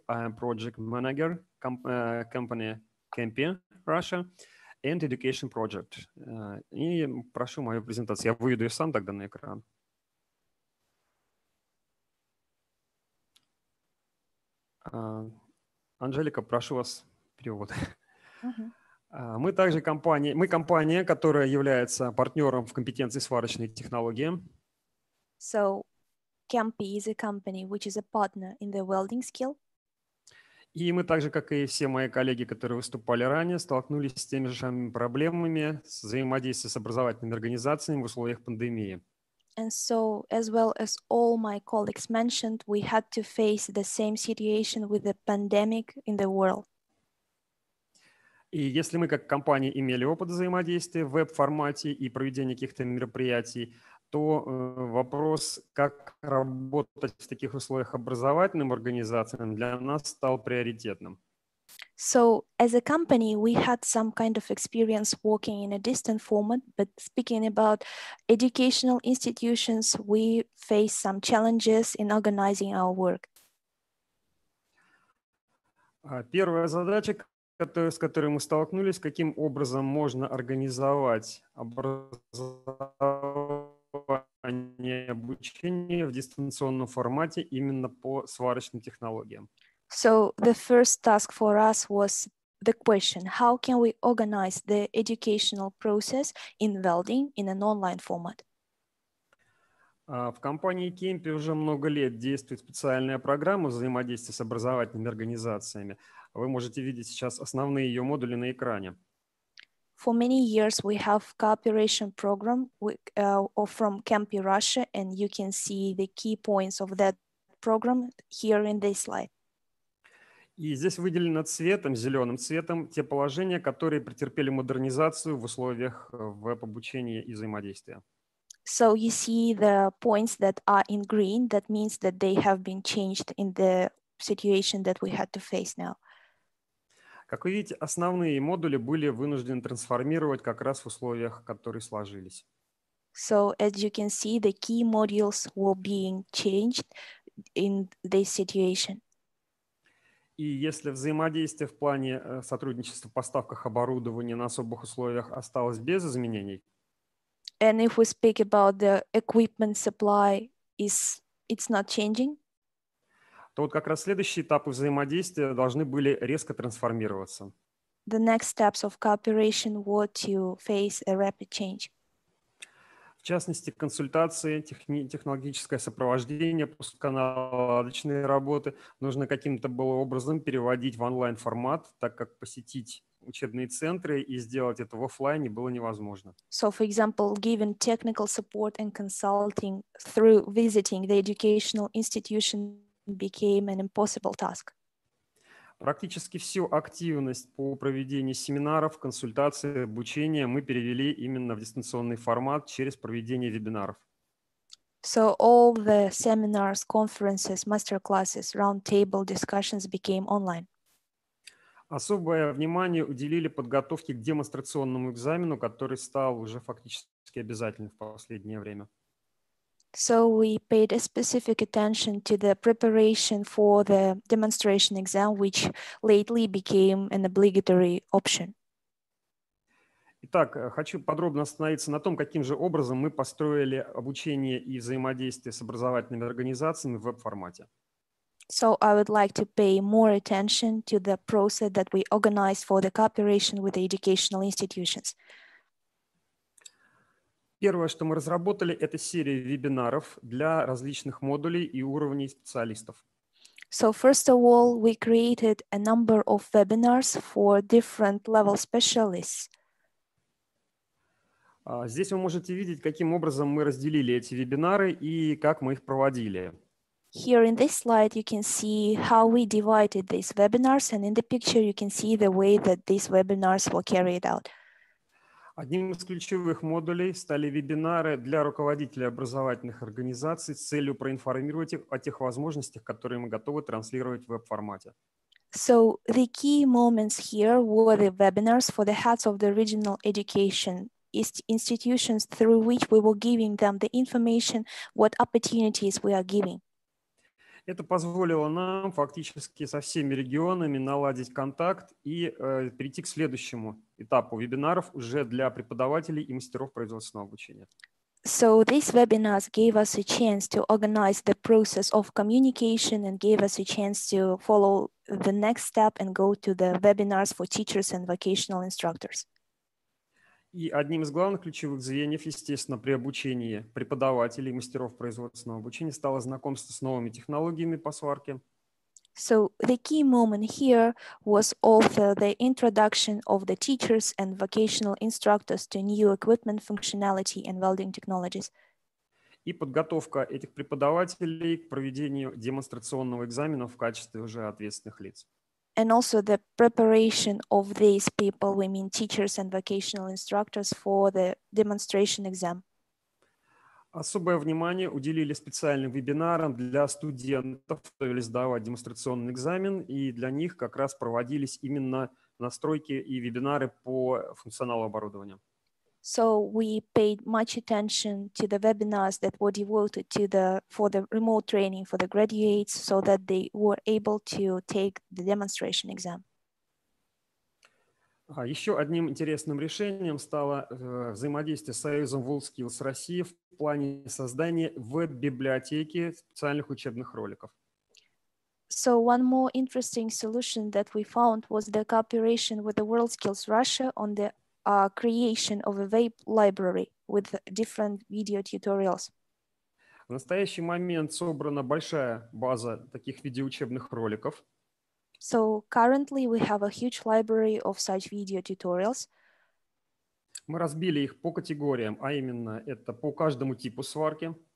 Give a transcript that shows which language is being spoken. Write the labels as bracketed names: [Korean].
[English] I am project manager company Kempi Russia and education project. [Russian] И прошу мою презентацию. Я выведу ее сам тогда на экран. Анжелика, прошу вас перевод. Мы компания, которая является партнером в компетенции сварочной технологии. [English] So Kempi is a company which is a partner in the welding skill. [Russian] И мы также, как и все мои коллеги, которые выступали ранее, столкнулись с теми же самыми проблемами взаимодействия с образовательными организациями в условиях пандемии. [English] And so, as well as all my colleagues mentioned, we had to face the same situation with the pandemic in the world. [Russian] И если мы как компания имели опыт взаимодействия в веб-формате и проведения каких-то мероприятий, то вопрос, как работать в таких условиях образовательным организациям, для нас стал приоритетным. [English] So as a company, we had some kind of experience working in a distant format, but speaking about educational institutions, we face some challenges in organizing our work. [Russian] Первая задача, с которой мы столкнулись, каким образом можно организовать образование и обучение в дистанционном формате именно по сварочным технологиям. [English] So the first task for us was the question, how can we organize the educational process in welding in an online format? [Russian] В компании Кемпи уже много лет действует специальная программа взаимодействия с образовательными организациями. Вы можете видеть сейчас основные ее модули на экране. [English] For many years we have cooperation program with, from Kempi Russia, and you can see the key points of that program here in this slide. [Russian] И здесь выделено цветом, зеленым цветом, те положения, которые претерпели модернизацию в условиях веб-обучения и взаимодействия. [English] So you see the points that are in green, that means that they have been changed in the situation that we had to face now. [Russian] Как вы видите, основные модули были вынуждены трансформировать как раз в условиях, которые сложились. [English] So as you can see, the key modules were being changed in this situation. [Russian] И если взаимодействие в плане сотрудничества в поставках оборудования на особых условиях осталось без изменений, [English] and if we speak about the equipment supply, it's not changing, [Russian] то вот как раз следующие этапы взаимодействия должны были резко трансформироваться. [English] The next steps of cooperation were to face a rapid change. [Russian] В частности, консультации, технологическое сопровождение, пусканалодочные работы нужно каким-то было образом переводить в онлайн-формат, так как посетить учебные центры и сделать это в офлайне было невозможно. [English] So, for example, giving technical support and consulting through visiting the educational institution became an impossible task. [Russian] Практически всю активность по проведению семинаров, консультаций, обучения мы перевели именно в дистанционный формат через проведение вебинаров. [English] So all the seminars, conferences, masterclasses, roundtable discussions became online. [Russian] Особое внимание уделили подготовке к демонстрационному экзамену, который стал уже фактически обязательным в последнее время. [English] So we paid a specific attention to the preparation for the demonstration exam, which lately became an obligatory option. [Russian] Итак, хочу подробно остановиться на том, каким же образом мы построили обучение и взаимодействие с образовательными организациями в веб-формате. [English] So I would like to pay more attention to the process that we organized for the cooperation with the educational institutions. [Russian] Первое, что мы разработали, это серия вебинаров для различных модулей и уровней специалистов. [English] So first of all, we created a number of webinars for different level specialists. [Russian] Здесь вы можете видеть, каким образом мы разделили эти вебинары и как мы их проводили. [English] Here in this slide you can see how we divided these webinars, and in the picture you can see the way that these webinars were carried out. [Russian] Одним из ключевых модулей стали вебинары для руководителей образовательных организаций с целью проинформировать их о тех возможностях, которые мы готовы транслировать в веб-формате. [English] So the key moments here were the webinars for the heads of the regional education institutions, through which we were giving them the information, what opportunities we are giving. [Russian] Это позволило нам фактически со всеми регионами наладить контакт и перейти к следующему этапу вебинаров уже для преподавателей и мастеров производственного обучения. [English] So these webinars gave us a chance to organize the process of communication and gave us a chance to follow the next step and go to the webinars for teachers and vocational instructors. [Russian] И одним из главных ключевых звеньев, естественно, при обучении преподавателей и мастеров производственного обучения стало знакомство с новыми технологиями по сварке. [English] So the key moment here was also the introduction of the teachers and vocational instructors to new equipment functionality and welding technologies. [Russian] И подготовка этих преподавателей к проведению демонстрационного экзамена в качестве уже ответственных лиц. [English] And also the preparation of these people, we mean teachers and vocational instructors, for the demonstration exam. [Russian] особое внимание уделили специальным вебинарам для студентов, которые сдавали демонстрационный экзамен, и для них как раз проводились именно настройки и вебинары по функционалу оборудования. [English] So we paid much attention to the webinars that were devoted to the for the remote training for the graduates so that they were able to take the demonstration exam. [Russian] Еще одним интересным решением стало взаимодействие с Союзом WorldSkills России в плане создания веб-библиотеки специальных учебных роликов. [English] So one more interesting solution that we found was the cooperation with the WorldSkills Russia on the creation of a web library with different video tutorials. [Russian] В настоящий момент собрана большая база таких видеоучебных роликов. [English] So currently we have a huge library of such video tutorials. [Russian] Мы разбили их по категориям, а именно это по каждому типу сварки.